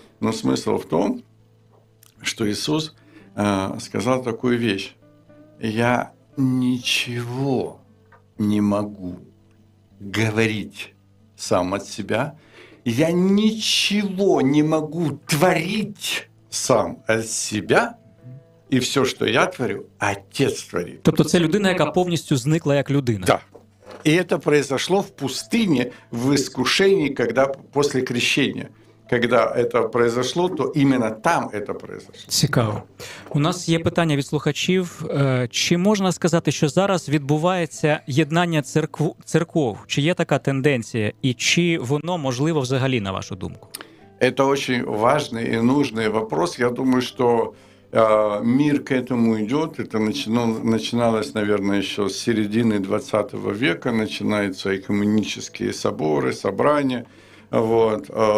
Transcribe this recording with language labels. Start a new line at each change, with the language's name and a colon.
Russian: Но смысл в том, что Иисус сказал такую вещь. Я ничего не могу говорить сам от себя. Я ничего не могу творить сам от себя.
Ukrainian: І все, що я творю, отець творить. Тобто це людина, яка повністю зникла як людина. Так. Да. І це произошло в пустині, в іскушенні, коли після крещення. Коли це произошло, то іменно там це произошло. Цікаво. У нас є питання від слухачів. Чи можна сказати, що зараз відбувається єднання церков? Чи є така тенденція? І чи воно можливо взагалі, на вашу думку? Це дуже важливий і потрібний вопрос. Я думаю, що...
Russian: Мир к этому идет. Это начиналось, наверное, еще с середины 20 века. Начинаются экуменические соборы, собрания. Вот.